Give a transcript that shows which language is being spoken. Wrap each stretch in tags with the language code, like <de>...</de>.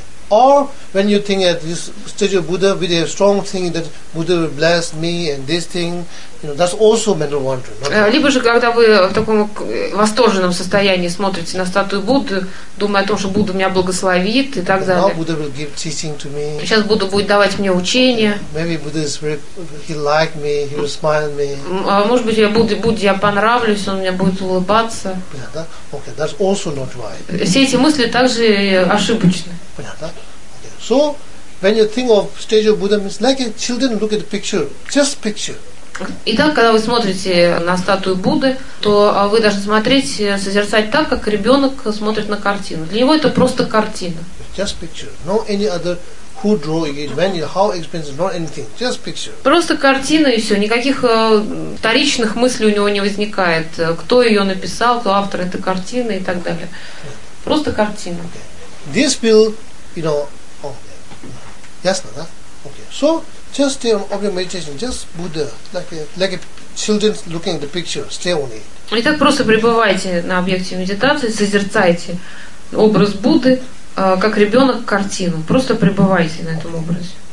<en>Or when you think at this stage of Buddha with a strong thing that Buddha will bless me and this thing, you know, that's also mental wandering.</en> <ru>Либо же когда вы в таком восторженном состоянии смотрите на статую Будды, думая о том, что Будда меня благословит и так далее.</ru> <en>Now Buddha will give teaching to me.</en> <ru>Сейчас Будда будет давать мне учение.</ru> <en>Maybe Buddha is very, he like me, he will smile me.</en> <ru>Может быть, я Будде понравлюсь, он мне будет улыбаться. Понятно?</ru> <en>Okay, that's also not right.</en> <ru>Все эти мысли также ошибочны. Понятно? Okay.</ru> <en>So when you think of stage of Buddha, it's like a children look at the picture, just picture.</en> <ru>Итак, когда вы смотрите на статую Будды, то вы должны смотреть, созерцать так, как ребенок смотрит на картину. Для него это просто картина.</ru> <en>Just picture. No any other who draw it, when it, how expensive, not anything. Just picture.</en> <ru>Просто картина и все. Никаких вторичных мыслей у него не возникает. Кто ее написал, кто автор этой картины и так далее. Просто картина.</ru> <en>Okay. This will, you know, okay.</en> <ru>Ясно, да?</ru> <en>Okay. So just stay on object meditation, just Buddha, like a children looking at the picture, stay on it.</en> <ru>Итак, просто пребывайте на объекте медитации, созерцайте образ Будды, как ребенок картину. Просто пребывайте на этом образе.</ru>